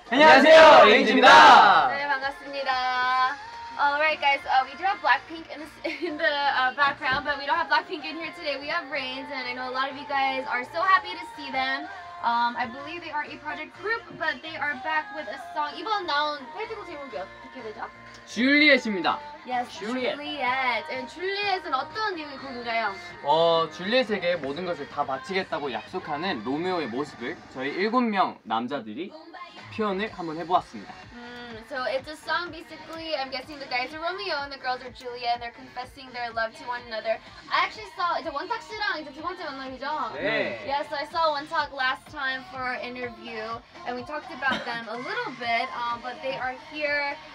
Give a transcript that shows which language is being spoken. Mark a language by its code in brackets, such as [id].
[ko] 안녕하세요, RAINZ입니다. 네, 반갑습니다. [en] All right, guys, we do have Blackpink in the background, but we don't have Blackpink in here today. We have RAINZ, and I know a lot of you guys are so happy to see them. I believe they are a project group, but they are back with a song. [ko] 이번 나온 페이티콜 제목이 어떻게 되죠? Juliet입니다. [en] Yes, Juliet. Juliet. And Juliet은 [ko] 어떤 곡인가요? Juliet에게 모든 것을 다 바치겠다고 약속하는 로미오의 모습을 저희 7명 남자들이 표현을 한번 해보았습니다. [en] So it's a song basically, I'm guessing the guys are Romeo and the girls are Juliet and they're confessing their love to one another. I actually saw, [ko] 이제 원탁 씨랑 이제 두 번째 만남이죠? 네. [en] Yeah, so I saw Wontak last time for our interview and we talked about them a little bit, but they are here.